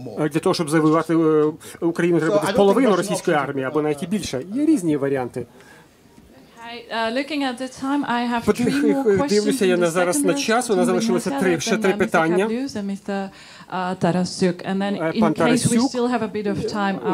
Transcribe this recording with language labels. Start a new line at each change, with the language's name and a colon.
Ukrainian: Для того, щоб завоювати Україну, треба половину російської армії, або навіть і більше. Є різні варіанти.
English: Looking at the time, I have three more questions.
Ukrainian: Я зараз на час, у нас залишилося ще три питання.
English: Тарасюк, and then in case we still have a bit of time,